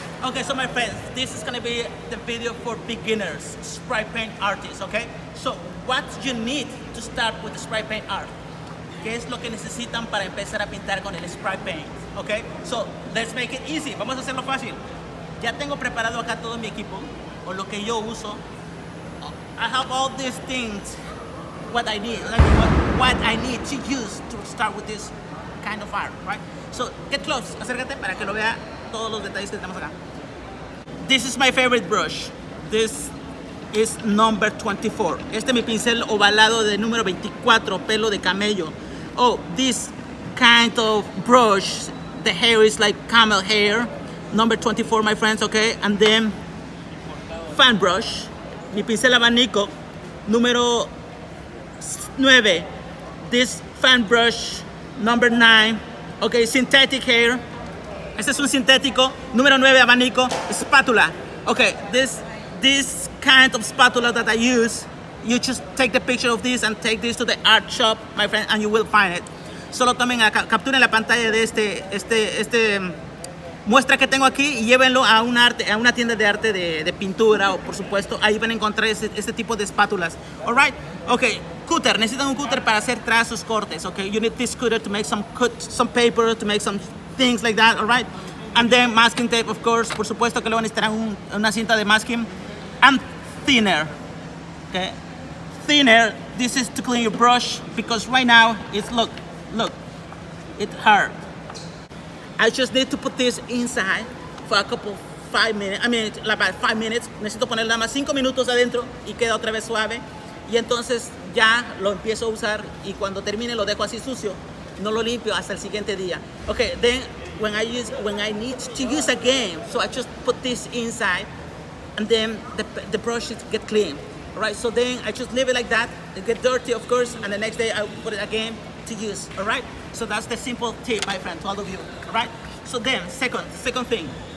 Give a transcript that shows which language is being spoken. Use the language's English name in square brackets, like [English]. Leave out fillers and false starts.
[English] Okay, so my friends, this is gonna be the video for beginners, spray paint artists, okay? So what you need to start with the spray paint art? [Spanish] ¿Qué es lo que necesitan para empezar a pintar con el spray paint? [English] Okay, so let's make it easy. [Spanish] Vamos a hacerlo fácil. Ya tengo preparado acá todo mi equipo, o lo que yo uso. [English] I have all these things, what I need, like what I need to use to start with this kind of art, right? So get close, [Spanish] acércate para que lo vea todos los detalles que tenemos acá. [English] This is my favorite brush. This is number 24. [Spanish] Este es mi pincel ovalado de número 24, pelo de camello. [English] Oh, this kind of brush, the hair is like camel hair. Number 24, my friends, okay? And then fan brush. [Spanish] Mi pincel abanico, número 9. [English] This fan brush, number 9. Okay, synthetic hair. [Spanish] Este es un sintético. Número 9, abanico. [English] Spatula. Okay, this kind of spatula that I use, you just take the picture of this and take this to the art shop, my friend, and you will find it. [Spanish] Solo tomen, capturen la pantalla de este muestra que tengo aquí y llévenlo a un arte, a una tienda de arte de pintura, o por supuesto, ahí van a encontrar este tipo de espátulas. [English] All right? Okay, cutter. [Spanish] Necesitan un cutter para hacer trazos, cortes. [English] Okay, you need this cutter to make some paper, to make some things like that. All right? And then masking tape, of course. [Spanish] Por supuesto que luego necesitarán una cinta de masking. [English] And thinner. Okay? Thinner, this is to clean your brush, because right now, look, it hurt. I just need to put this inside for a couple, 5 minutes. I mean, about 5 minutes. [Spanish] Necesito poner nada más 5 minutos adentro y queda otra vez suave. Y entonces ya lo empiezo a usar y cuando termine lo dejo así sucio. No lo limpio hasta el siguiente día. [English] Okay, then when I need to use again, so I just put this inside and then the brush should get clean. All right, so then I just leave it like that. It get dirty, of course, and the next day I put it again to use, all right? So that's the simple tip, my friend, to all of you, all right? So then, second thing.